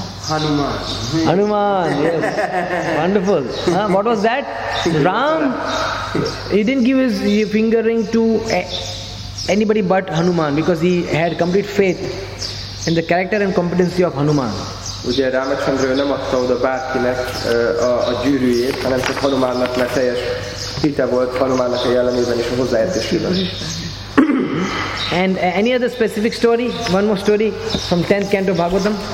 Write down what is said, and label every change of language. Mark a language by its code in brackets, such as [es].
[en] Hanuman. Hanuman. Yes. Wonderful. What was that? Ram. He didn't give his finger ring to anybody but Hanuman because he had complete faith in the character and competency of Hanuman. [hu] Ugye Ramachandra nem adta oda bárkinek a gyűrűjét, hanem csak Hanumannak, mert teljes hite volt Hanumannak a jellemében és a hozzáértésében. [en] And any other specific story? One more story from 10th canto Bhagavatam.